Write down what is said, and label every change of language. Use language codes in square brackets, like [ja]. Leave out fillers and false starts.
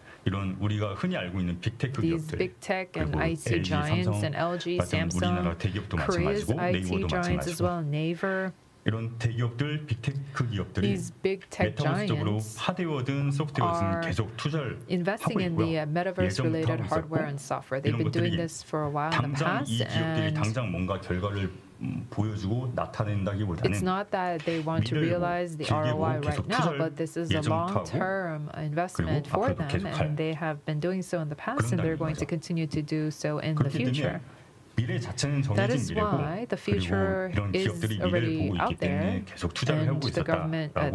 [en] these big tech and IT giants and LG, Samsung, Korea's IT giants as well, Naver. [ko] 이런 대기업들, 빅테크 기업들이 메타버스적으로 하드웨어든 소프트웨어든 계속 투자를 하고 [en] investing [ko] 있고요. [en] In the metaverse-related hardware and software. They've been doing this for a while in the past. [ko] 당장 이 기업들이 당장 뭔가 결과를 보여주고 나타낸다기보다는 [en] It's not that they want to realize the ROI right now, but this is a long-term investment for them, and they have been doing so in the past, and they're going to continue to do so in the future. That is why the future is already out there, and the government,